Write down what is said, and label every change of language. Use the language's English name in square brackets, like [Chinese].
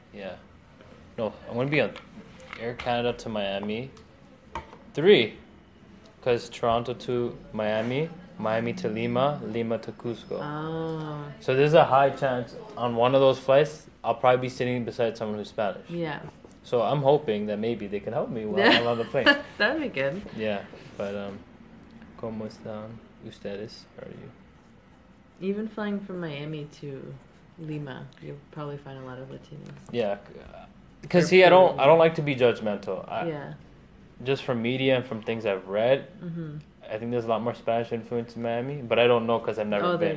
[English] Yeah. No, I'm gonna be on Air Canada to Miami. Three. Cause Toronto to Miami, Miami to Lima, Lima to Cusco. Oh. So there's a high chance on one of those flights, I'll probably be sitting beside someone who's Spanish. Yeah. So I'm hoping that maybe they can help me while I'm on the plane. That'd be good. Yeah, but [Spanish] ¿Cómo están ustedes? [English] How are you? Even flying from Miami to Lima, you'll probably find a lot of Latinos. Yeah, because see, I don't like to be judgmental. Just from media and from things I've read, mm-hmm. I think there's a lot more Spanish influence in Miami, but I don't know because I've never been.